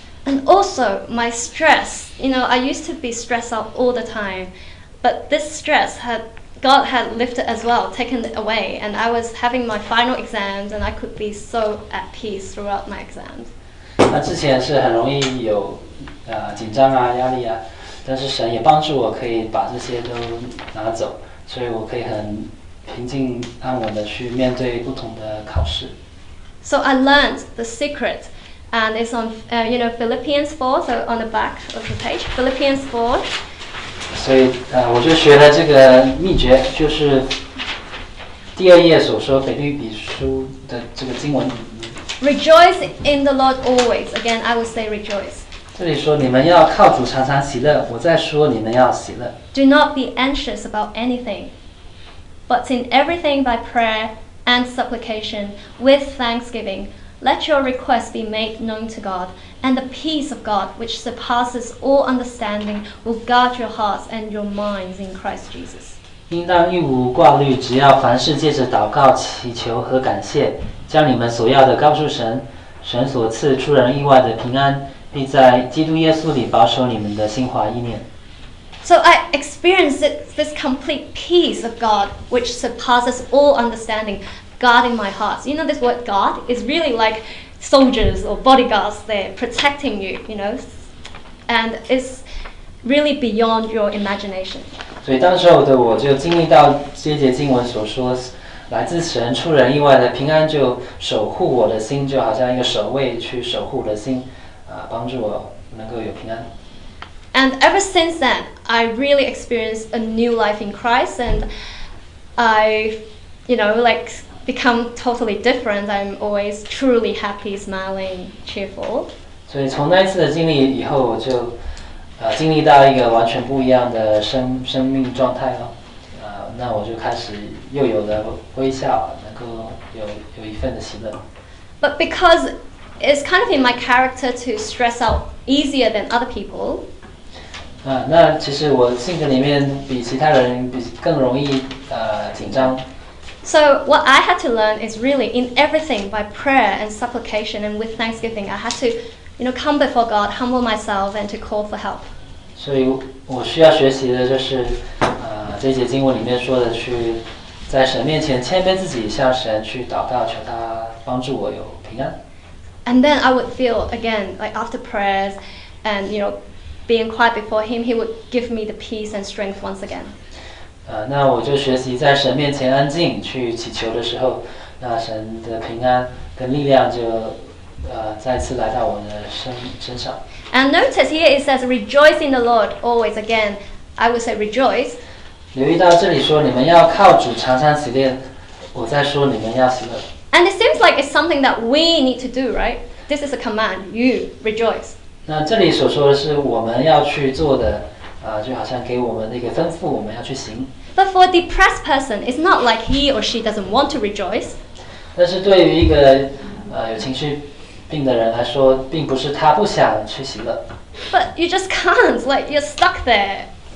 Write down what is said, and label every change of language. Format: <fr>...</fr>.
<en>And also my stress, you know, I used to be stressed out all the time, but this stress had God had lifted as well, taken it away, and I was having my final exams, and I could be so at peace throughout my exams.</en> <zh>那之前是很容易有。紧张啊，压力啊，但是神也帮助我可以把这些都拿走，所以我可以很平静安稳的去面对不同的考试。</zh> <en>So I learned the secret, and it's on, you know, Philippians 4, so on the back of the page, Philippians 4.</en> <zh>所以我就学了这个秘诀，就是第二页所说腓立比书的这个经文。</zh> <en>Rejoice in the Lord always. Again, I will say rejoice.</en> <zh>这里说你们要靠主常常喜乐，我在说你们要喜乐。</zh> <en>Do not be anxious about anything, but in everything by prayer and supplication with thanksgiving, let your requests be made known to God. And the peace of God, which surpasses all understanding, will guard your hearts and your minds in Christ Jesus.</en> <zh>应当一无挂虑，只要凡事借着祷告、祈求和感谢，将你们所要的告诉神，神所赐出人意外的平安。并在基督耶稣里保守你们的心怀意念。</zh> <en>So I experienced this complete peace of God, which surpasses all understanding, guarding my heart. You know this word "guard" is really like soldiers or bodyguards there protecting you. You know, and it's really beyond your imagination.</en> <zh>所以当时候的我就经历到这节经文所说，来自神出人意外的平安就守护我的心，就好像一个守卫去守护我的心，帮助我能够有平安。</zh> <en>And ever since then, I really experienced a new life in Christ, and I, you know, like become totally different. I'm always truly happy, smiling, cheerful.</en> <zh>所以从那一次的经历以后，我就经历到一个完全不一样的生命状态了。那我就开始又有了微笑，能够有一份的喜乐。</zh> <en>But because it's kind of in my character to stress out easier than other people.</en> <zh>那其实我性格里面比其他人更容易紧张。</zh> <en>So what I had to learn is really in everything by prayer and supplication and with thanksgiving, I had to, you know, come before God, humble myself, and to call for help.</en> <zh>所以我需要学习的就是，这节经文里面说的去在神面前谦卑自己，向神去祷告，求他帮助我有平安。</zh> <en>And then I would feel again like after prayers, and you know. Being quiet before him, he would give me the peace and strength once again.</en> <zh>那我就学习在神面前安静去祈求的时候，那神的平安跟力量就再次来到我的身上。</zh> <en>And notice here it says, "Rejoice in the Lord always." Again, I would say rejoice.</en> <zh>留意到这里说你们要靠主常常喜乐，我在说你们要喜乐。</zh> <en>And it seems like it's something that we need to do, right? This is a command. You rejoice.</en> <zh>那这里所说的是我们要去做的，就好像给我们的一个吩咐，我们要去行。</zh> <en>But for a depressed person, it's not like he or she doesn't want to rejoice.</en> <zh>但是对于一个有情绪病的人来说，并不是他不想去喜乐。</zh> <en>But you just can't, like you're stuck there.</en>